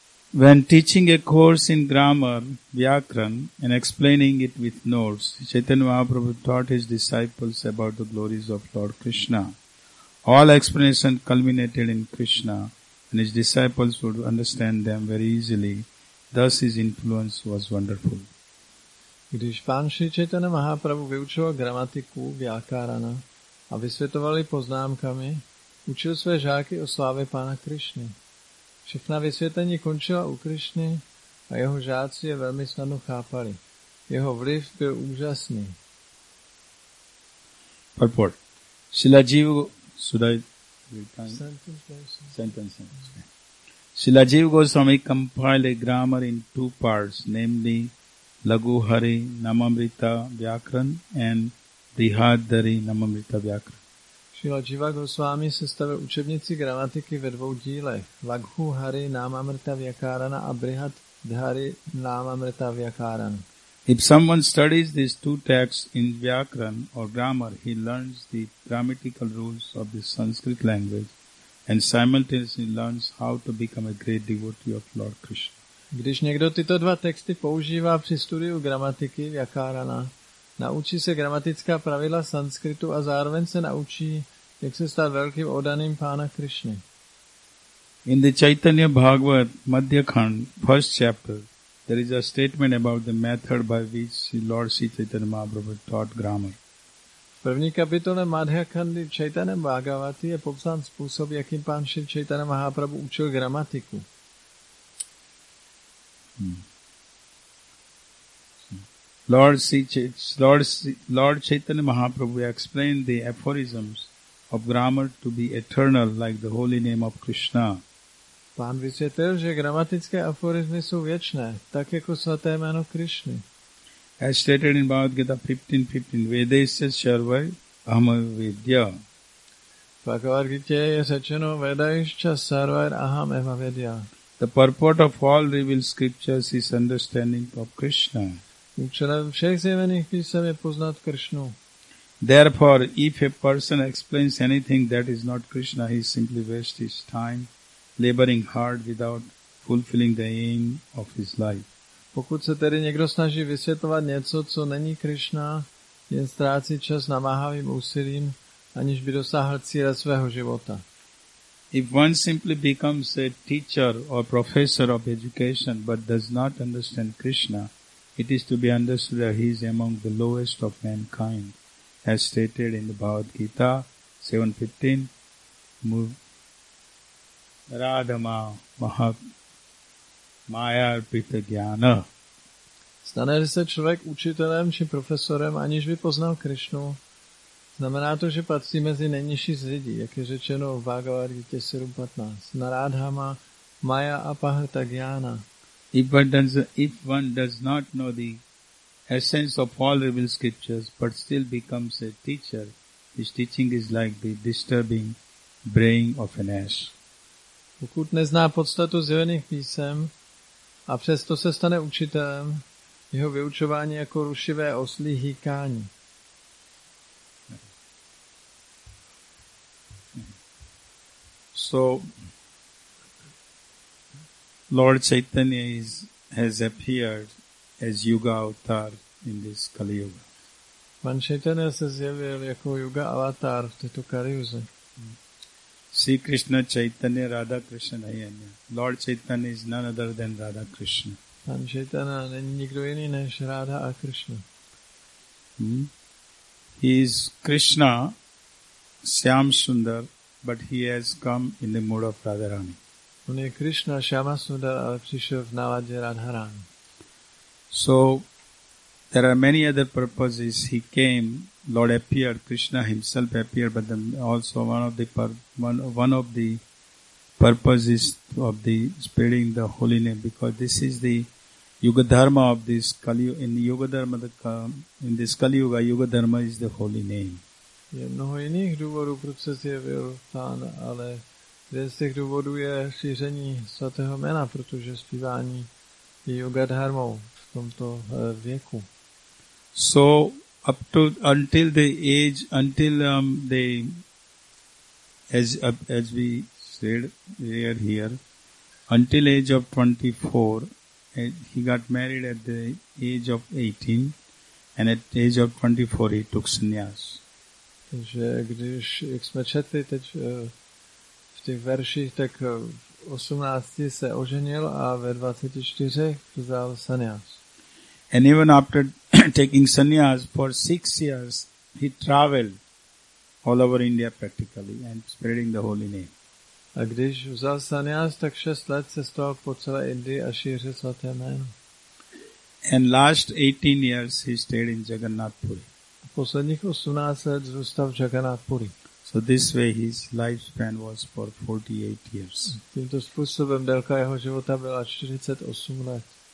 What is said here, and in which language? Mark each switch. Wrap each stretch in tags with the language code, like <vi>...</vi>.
<en>When teaching a course in grammar, Vyakran, and explaining it with notes, Chaitanya Mahaprabhu taught his disciples about the glories of Lord Krishna. All explanation culminated in Krishna, and his disciples would understand them very easily. Thus his influence was wonderful.</en> <cs>Když pán Šri Chaitanya Mahaprabhu vyučoval gramatiku Vyakarana a vysvětoval ji poznámkami, učil své žáky o slávě pána Krišny. Všechna vysvětlení končila u Krišny a jeho žáci je velmi snadno chápali. Jeho vliv byl úžasný.</cs> <en>Purport. Srila Srila Jiva Goswami compiled a grammar in two parts, namely Lagu Hari Namamrita Vyakran and Brihadari Namamrita Vyakran.</en> <cs>Srila Jiva Goswami sestavil učebnici gramatiky ve dvou dílech, Lagu Hari Namamrita Vyakarana a Brihadari Namamrita Vyakarana.</cs> <en>If someone studies these two texts in Vyakran or grammar, he learns the grammatical rules of the Sanskrit language and simultaneously learns how to become a great devotee of Lord Krishna.</en> <cs>Když někdo tyto dva texty používá při studiu gramatiky Vyakarana, naučí se gramatická pravidla sanskritu a zároveň se naučí, jak se stát velkým oddaným pána Krishny.</cs> <en>In the Chaitanya Bhagavat Madhya Khand, first chapter, there is a statement about the method by which Lord Sri Chaitanya Mahaprabhu taught grammar.</en> <cs>V první kapitole Madhya Khandy Chaitanya Bhagavati je popsán způsob, jakým pán Sri Chaitanya Mahaprabhu učil gramatiku.</cs> <en>Lord Chaitanya Mahaprabhu explained the aphorisms of grammar to be eternal like the holy name of Krishna.</en> <cs>Pán vysvětlil, že gramatické aforizmy jsou věčné, tak jako svaté jméno Krišny.</cs> <en>As stated in Bhagavad Gita 15.15,</en> <sa>Vedesya Sarvai Ahamavidya.</sa> <cs>V Bhagavad Gita je řečeno</cs> <sa>Vedaischa Sarvai Ahamavidya.</sa> <en>The purport of all revealed scriptures is understanding of Krishna.</en> <cs>Účelem všech zjevených písem je poznat Krishnu.</cs> <en>Therefore, if a person explains anything that is not Krishna, he simply wastes his time laboring hard without fulfilling the aim of his life.</en> <cs>Pokud se tedy někdo snaží vysvětlovat něco, co není Krishna, jen ztrácí čas namáhavým úsilím, aniž by dosáhl cíle svého života.</cs> <en>If one simply becomes a teacher or professor of education but does not understand Krishna, it is to be understood that he is among the lowest of mankind, as stated in the Bhagavad Gita 7.15,</en> <sa>Radhama Maha Maya Arpita Jnana.</sa> <cs>Stane se člověk učitelem či profesorem, aniž by poznal Krišnu, znamená to, že patří mezi nejnižší z lidí, jak je řečeno v Bhagavad Gita 7.15,</cs> <sa>na Radhama Maya Apahrta Jnana.</sa> <en>If one does not know the essence of all revealed scriptures, but still becomes a teacher, his teaching is like the disturbing braying of an ash.</en> <cs>Pokud nezná podstatu zjevených písem a přesto se stane učitelem, jeho vyučování jako rušivé oslí hýkání.</cs> <en>So, Lord Chaitanya has appeared as Yuga Avatar in this Kali Yuga.</en> <cs>Pan Chaitanya se zjevil jako Yuga Avatar v této Kali Yuze.</cs> <sa>Sri Krishna Chaitanya Radha Krishna Hayanya.</sa> <en>Lord Chaitanya is none other than Radha Krishna.</en> <cs>Pan Chaitanya není nikdo jiný než Radha a Krishna.</cs> <en>He is Krishna, Shyam Sundar, but he has come in the mood of Radharani.</en> <cs>On je Krishna, Shyama Sundar, ale přišel v náladě Radharani.</cs> <en>So, there are many other purposes. He came, Lord appeared, Krishna himself appeared, but then also one of the purposes of the spreading the holy name, because this is the Yuga Dharma of this Kali Yuga. In this Kali Yuga, Yuga Dharma is the holy name.</en> <cs>Je mnoho jiných důvodů, proč se zjevil pán, ale jeden z těch důvodů je šíření svatého jména, protože zpívání je Yuga Dharmou v tomto věku.</cs> <en>So until age of 24, he got married at the age of 18, and at age of 24 he took sannyas.</en> <cs>Takže když, jak jsme četli teď v těch verších, tak v 18 se oženil a ve 24 vzal sannyas.</cs> <en>And even after taking sannyas for 6 years, he traveled all over India practically and spreading the holy name.</en> <cs>A když vzal sannyas, tak 6 let cestoval po celé Indii a šířil svaté jméno.</cs> <en>And last 18 years he stayed in Jagannath Puri.</en> <cs>Posledních 18 let zůstal v Jagannath Puri.</cs> <en>So this way his lifespan was for 48 years.</en> <cs>Tímto způsobem délka jeho života byla 48 let.</cs>